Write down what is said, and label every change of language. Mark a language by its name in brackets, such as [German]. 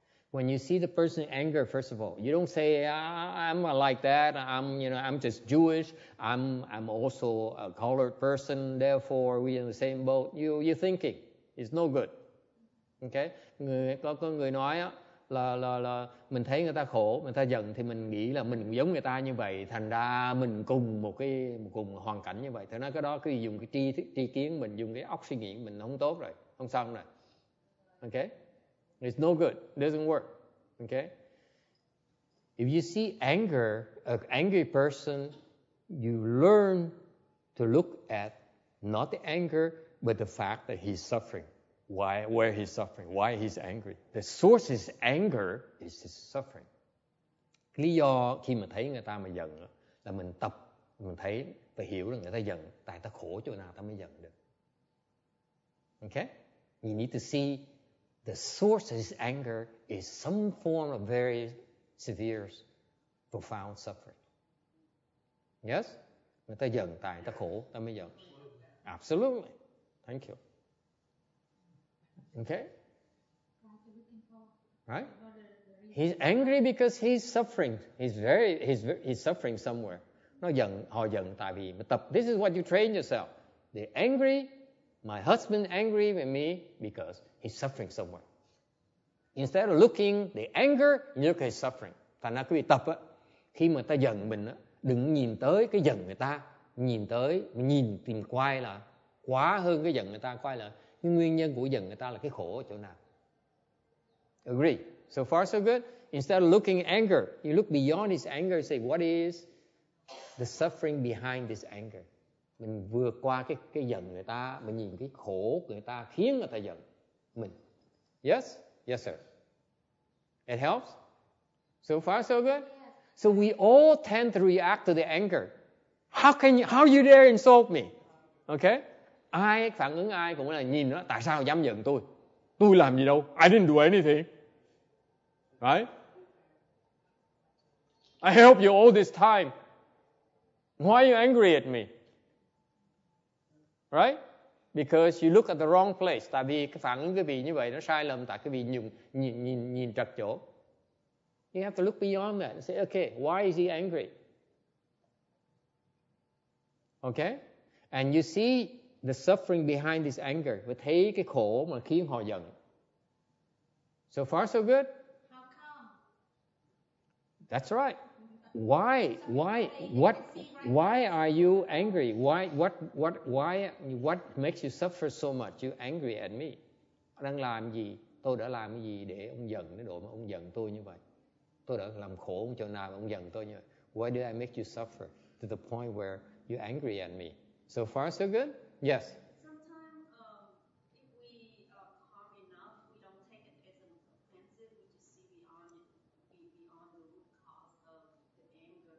[English] When you see the person in anger, first of all, you don't say, I'm like that, I'm just Jewish, I'm also a colored person, therefore we're in the same boat. You're thinking. It's no good. Okay? [Vietnamese] Có người nói là mình thấy người ta khổ, người ta giận thì mình nghĩ là mình giống người ta như vậy, thành ra mình cùng cùng hoàn cảnh như vậy. Thế nên cái đó cứ dùng cái tri kiến mình, dùng cái óc suy nghĩ mình không tốt rồi, không xong rồi. [English] Okay? It's no good. Doesn't work. Okay? If you see anger, an angry person, you learn to look at not the anger, but the fact that he's suffering. Why? Where he's suffering? Why he's angry? The source is anger, is his suffering. [Vietnamese] Lý do khi mà thấy người ta mà giận là mình tập, mình thấy phải hiểu là người ta giận tại ta khổ chỗ nào ta mới giận được. [English] Okay? You need to see the source of his anger is some form of very severe, profound suffering. Yes? [Vietnamese] Người ta giận tại ta khổ, ta mới giận. [English] Absolutely. Thank you. Okay? Right? He's angry because he's suffering. He's suffering somewhere. [Vietnamese] Nó giận, họ giận tại vì mà tập. [English] This is what you train yourself. They're angry. My husband angry with me because he's suffering somewhere. Instead of looking the anger, you look at his suffering. [Vietnamese] Thành ra quý vị tập á, khi mà ta giận mình á, đừng nhìn tới cái giận người ta, nhìn tới, nhìn tìm quay là quá hơn cái giận người ta quay là cái nguyên nhân của giận người ta là cái khổ ở chỗ nào. [English] Agree? So far so good. Instead of looking anger, you look beyond his anger and say what is the suffering behind this anger. [Vietnamese] Mình vượt qua cái giận người ta, mình nhìn cái khổ người ta khiến người ta giận mình. [English] Yes? Yes, sir. It helps? So far so good? Yes. So we all tend to react to the anger. How you dare insult me? Okay? [Vietnamese] Ai phản ứng ai cũng là nhìn nó, tại sao dám giận tôi? Tôi làm gì đâu? [English] I didn't do anything. Right? I helped you all this time. Why are you angry at me? Right? Because you look at the wrong place. [Vietnamese] Tại vì cái phản ứng quý vị như vậy nó sai lầm tại quý vị nhìn trật chỗ. [English] You have to look beyond that and say, okay, why is he angry? Okay? And you see the suffering behind this anger. [Vietnamese] Mà thấy cái khổ mà khiến họ giận. [English] So far, so good? How come? That's right. Why are you angry? What makes you suffer so much? You angry at me? [Vietnamese] Đang làm gì? Tôi đã làm cái gì để ông giận đến độ mà ông giận tôi như vậy? Tôi đã làm khổ ông chỗ nào mà ông giận tôi như vậy? [English] Why did I make you suffer to the point where you angry at me? So far so good? Yes. Sometimes if we calm enough, we don't take it as an offensive. We just see beyond the root cause of the anger.